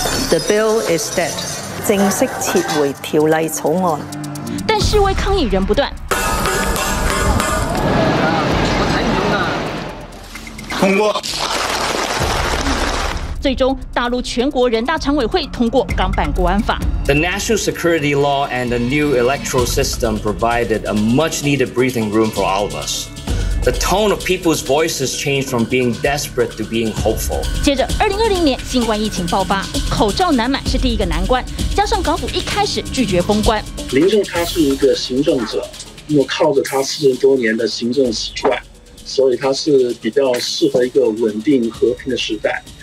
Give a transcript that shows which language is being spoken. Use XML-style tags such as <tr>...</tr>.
<en>The bill is dead，</en> <zh>正式撤回条例草案。但示威抗议仍不断。通过。最终，大陆全国人大常委会通过港版国安法。</zh> <en>The national security law and the new electoral system provided a much-needed breathing room for all of us. The tone of people's voices changed from being desperate to being hopeful.</en> <zh>接着，2020年新冠疫情爆发，口罩难买是第一个难关，加上港府一开始拒绝封关。林郑她是一个行政者，那么靠着她40多年的行政习惯，所以她是比较适合一个稳定和平的时代。</zh>